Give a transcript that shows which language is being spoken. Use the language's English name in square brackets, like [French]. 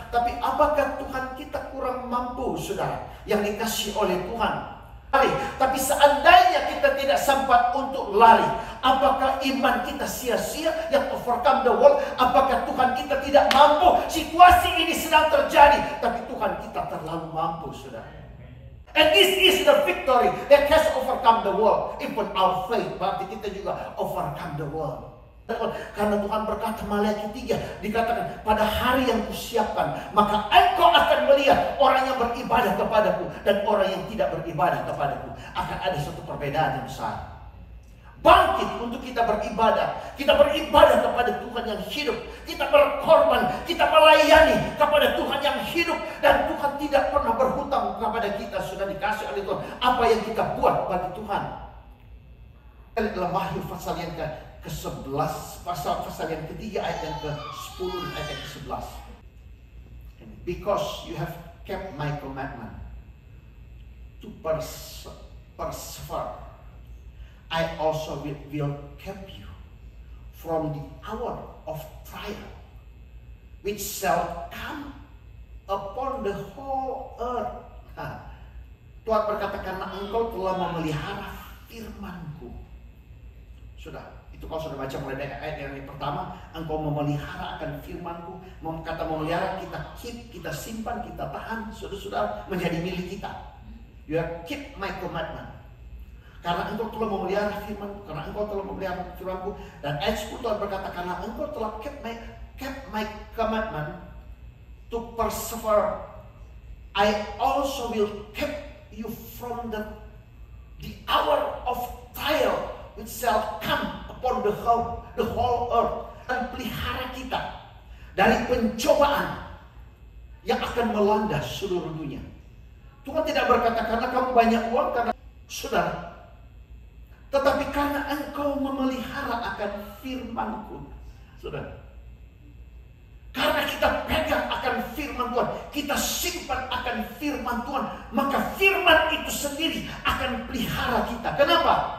[Indonesian] Tapi apakah Tuhan kita kurang mampu, saudara, yang dikasih oleh Tuhan? Lari. Tapi seandainya kita tidak sempat untuk lari, apakah iman kita sia-sia yang [English] overcome the world? [Indonesian] Apakah Tuhan kita tidak mampu? Situasi ini sedang terjadi, tapi Tuhan kita terlalu mampu, saudara. [English] And this is the victory that has overcome the world. Even our faith, [Indonesian] berarti kita juga [English] overcome the world. [Indonesian] Karena Tuhan berkata Malaikat 3 dikatakan pada hari yang kusiapkan, maka engkau akan melihat orang yang beribadah kepadaku dan orang yang tidak beribadah kepadaku. Akan ada satu perbedaan yang besar. Bangkit untuk kita beribadah. Kita beribadah kepada Tuhan yang hidup. Kita berkorban, kita melayani kepada Tuhan yang hidup. Dan Tuhan tidak pernah berhutang kepada kita. Sudah dikasih oleh Tuhan apa yang kita buat bagi Tuhan. Dalam Wahyu pasal yang ke-11, pasal yang ketiga ayat yang ke-10, ayat yang ke-11. [English] Because you have kept my commandment to persevere, I also will keep you from the hour of trial which shall come upon the whole earth. [Indonesian] Tuhan berkata, karena engkau telah memelihara firman-Ku. Sudah, itu kalau sudah baca mulai dari ayat yang pertama, engkau memelihara akan firman-Ku. Kata memelihara, kita keep, kita simpan, kita tahan, sudah menjadi milik kita. [English] You have kept my commandment. [Indonesian] Karena engkau telah memelihara firman, karena engkau telah memelihara firman-Ku. Dan ayat 10 Tuhan berkata, karena engkau telah [English] kept my commandment to persevere, I also will keep you from the hour of trial which shall come upon the whole earth. [Indonesian] Dan pelihara kita dari pencobaan yang akan melanda seluruh dunia. Tuhan tidak berkata karena kamu banyak uang, karena saudara, tetapi karena engkau memelihara akan firman-Ku. Saudara, karena kita pegang akan firman Tuhan, kita simpan akan firman Tuhan, maka firman itu sendiri akan pelihara kita. Kenapa?